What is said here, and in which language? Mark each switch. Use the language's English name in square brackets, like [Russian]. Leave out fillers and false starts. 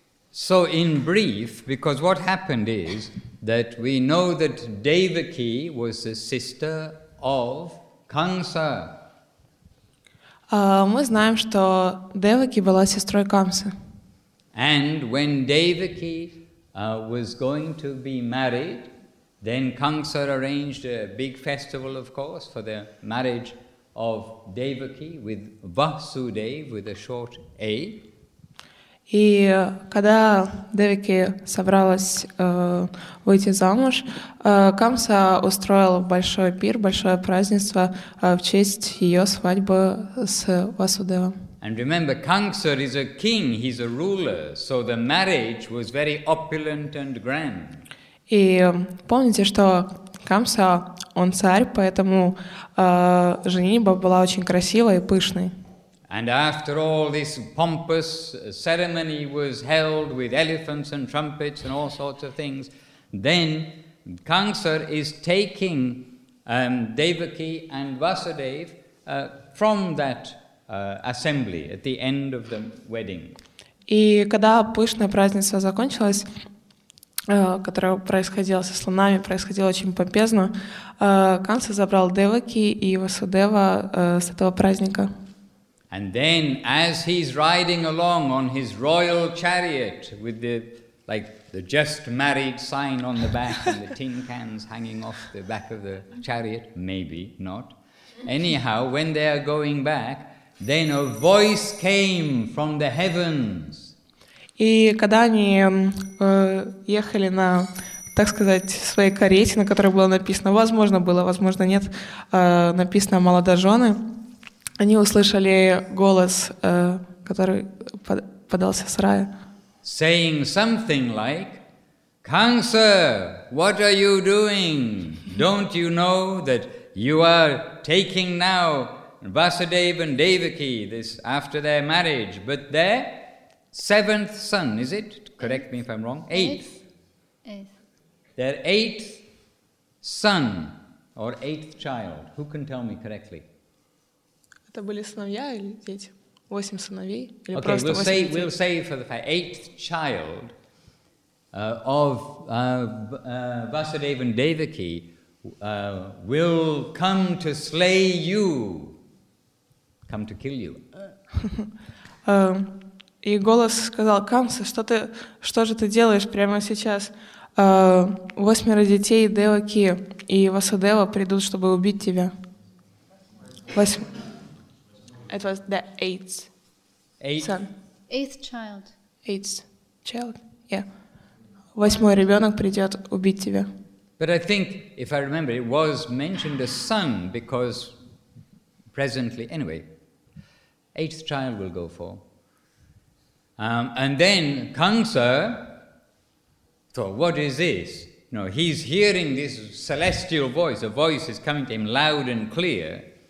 [English] So in brief, because what happened is that we know that Devaki was the sister of Kamsa. [Russian] Мы знаем, что Деваки была сестрой Камсы. [English] And when Devaki was going to be married, then Kamsa arranged a big festival, of course, for the marriage of Devaki with Vasudev, with a short A. [Russian] И когда Девики собралась выйти замуж, Камса устроил большой пир, большое празднество в честь ее свадьбы с Васудевом. [English] And remember, Kamsa is a king, he's a ruler, so the marriage was very opulent and grand. [Russian] И помните, что Камса, он царь, поэтому женитьба была очень красивой и пышной. [English] And after all this pompous ceremony was held with elephants and trumpets and all sorts of things, then Kamsa is taking Devaki and Vasudev from that assembly at the end of the wedding. [Russian] И когда пышное празднество закончилось, которое происходило со слонами, происходило очень помпезно, Kamsa забрал Деваки и Васудева с этого праздника. [English] And then, as he's riding along on his royal chariot with the, like, the just married sign on the back and the tin cans hanging off the back of the chariot, maybe not. Anyhow, when they are going back, then a voice came from the heavens. [Russian] И когда они ехали на, так сказать, своей карете, на которой было написано, возможно было, возможно нет, написано «молодожены». Они услышали голос, который подался с рая. [English] Saying something like, Kamsa, what are you doing? Don't you know that you are taking now Vasudev and Devaki, this after their marriage, but their seventh son, is it? Correct me if I'm wrong. Eighth. Their eighth son or eighth child. Who can tell me correctly? [Russian] Это были сыновья или дети? Восемь сыновей или [English] okay, [Russian] просто [English] we'll [Russian] восемь [English] say, [Russian] детей? [English] We'll say for the fact, eighth child of Vasudev and Devaki will come to slay you, come to kill you. [Russian] И голос сказал, Камса, что ты, что же ты делаешь прямо сейчас? Восьмеро детей Деваки и Васудева придут, чтобы убить тебя. [English] It was the eighth son. Eighth child. Yeah. [Russian] Восьмой ребенок придет убить тебя. [English] But I think, if I remember, it was mentioned a son because presently, anyway, eighth child will go for. And then Kamsa thought, what is this? You know, he's hearing this celestial voice. A voice is coming to him loud and clear.